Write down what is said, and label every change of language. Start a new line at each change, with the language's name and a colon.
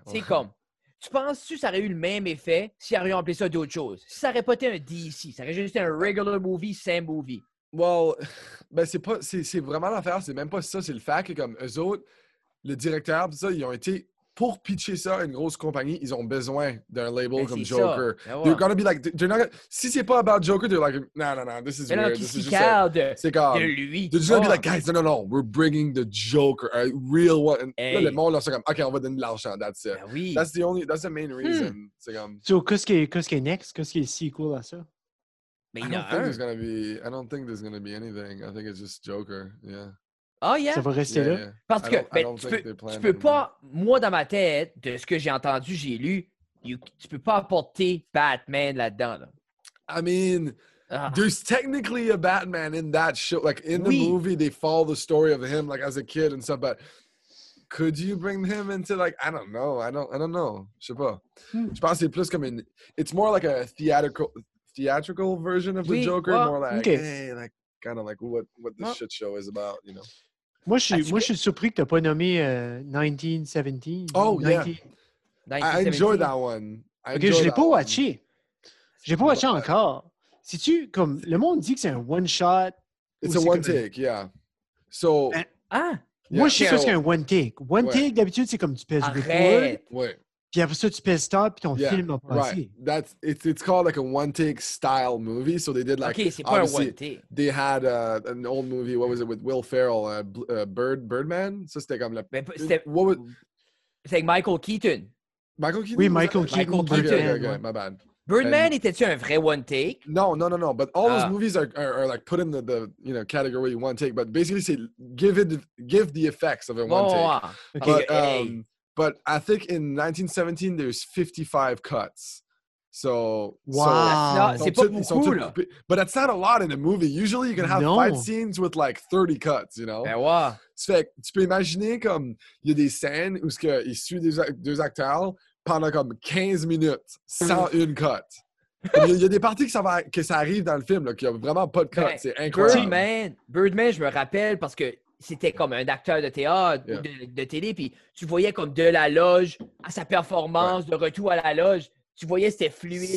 French: C'est comme, tu penses-tu ça aurait eu le même effet si ils auraient appelé ça d'autre chose? Si ça aurait pas été un DC, ça aurait juste été un
English: regular movie, same movie.
French: Well, ben c'est pas, c'est vraiment l'affaire, c'est même pas ça, c'est le fait que comme eux autres, le directeur, tout ça, ils ont été... Pour pitcher ça à une grosse compagnie, ils ont besoin d'un label comme Joker.
English: They're gonna be like, they're not,
French: si c'est pas
English: about Joker, they're like, no, no, no, this is weird. This is just
French: de, c'est comme, de lui.
English: They're just gonna be like, guys, no, no, no, we're bringing the Joker, a real one.
French: Hey. Là, le monde, là, c'est comme, OK, on va donner de l'argent,
English: that's it.
French: Ben oui.
English: That's the only, that's the main reason. Hmm.
French: C'est comme, so, qu'est-ce qui est next? Qu'est-ce qui est sequel à ça? Mais
English: I don't think there's gonna be, I don't think there's gonna be anything. I think it's just Joker, yeah. Oh, yeah.
French: Ça va rester là. Yeah. Parce que ben, tu peux pas, moi dans ma tête, de ce que j'ai entendu, j'ai lu, tu peux pas apporter Batman là-dedans. Là.
English: I mean, there's technically a Batman in that show. Like in the movie, they follow the story of him like as a kid and stuff, but could you bring him into like, I don't know. I don't know.
French: Je sais pas. Je pense que c'est plus comme une.
English: It's more like a theatrical version of the Joker. Well, more like, hey, like. Kind of like what this shit show is about, you know.
French: Moi, je suis surpris que t'as pas nommé 1917.
English: Oh, 1917. I enjoy that one.
French: Okay, je l'ai pas watché. J'ai pas watché encore. Si tu comme le monde dit que c'est un one shot.
English: It's a one take, yeah. So. Ah.
French: Moi, je sais ce qu'un one take. One take d'habitude c'est comme tu pèses
English: record.
French: Puis après ça, tu pèses stop, puis ton film a passé.
English: Right. That's, it's called like a one-take style movie. So they did like...
French: Okay, c'est pas un one-take.
English: They had an old movie, what was it, with Will Ferrell, Birdman?
French: Ça, c'était comme... C'était avec Michael Keaton. Michael Keaton? Oui, Michael Keaton. Michael Keaton.
English: Okay, my bad.
French: Birdman, était-tu un vrai one-take?
English: No. But all those movies are like put in the you know category one-take. But basically, c'est give the effects of a one-take. Bon, okay. But, but I think in 1917 there's 55 cuts, so wow, that's not a lot in a movie. Usually you can have fight scenes with like 30 cuts, you know.
French: Ben ouais. Fait, tu peux imaginer comme il y a des scènes où ce que ils suivent deux acteurs pendant comme 15 minutes sans une cut. Il y a des parties que ça arrive dans le film là, qu'il y a vraiment pas de cut. Ben, c'est incroyable. Birdman, je me rappelle parce que. C'était comme un acteur de théâtre, de télé, puis tu voyais comme de la loge à sa performance, de retour à la loge, tu voyais c'était fluide.